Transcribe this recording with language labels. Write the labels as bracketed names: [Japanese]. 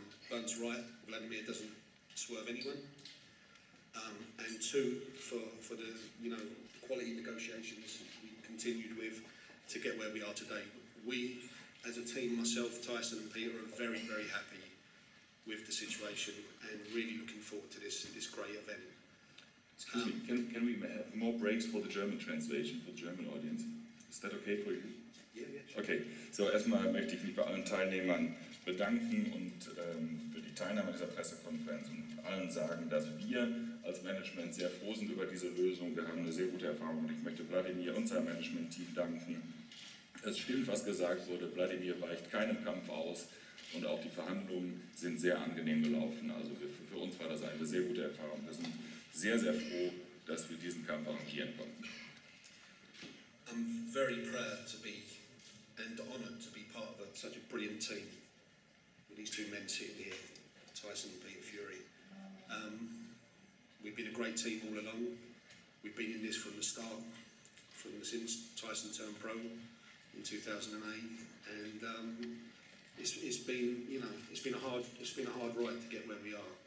[English] Bud's right, Wladimir doesn't swerve anyone. And two, for the, you know, quality negotiations we continued with to get where we are today. We, as a team, myself, Tyson and Peter, are very, very happy with the situation and really looking forward to this great event. Excuse me, can we have more breaks for the German translation, for the German audience? Is that okay for you? Yeah, yeah. [German] Okay, so erstmal möchte ich mich bei allen Teilnehmern bedanken und für die Teilnahme dieser Pressekonferenz und allen sagen, dass wir als Management sehr froh sind über diese Lösung. Wir haben eine sehr gute Erfahrung und ich möchte Wladimir und seinem Management-Team danken. Es stimmt, was gesagt wurde, Wladimir weicht keinen Kampf aus und auch die Verhandlungen sind sehr angenehm gelaufen. Also für uns war das eine sehr gute Erfahrung. Wir sind sehr, sehr froh, dass wir diesen Kampf arrangieren konnten. [English] I'm very proud to be and honored to be part of such a brilliant team with these two men sitting here, Tyson and Peter Fury. We've been a great team all along. We've been in this from the start, from the since Tyson turned pro in 2008, and it's been a hard ride to get where we are.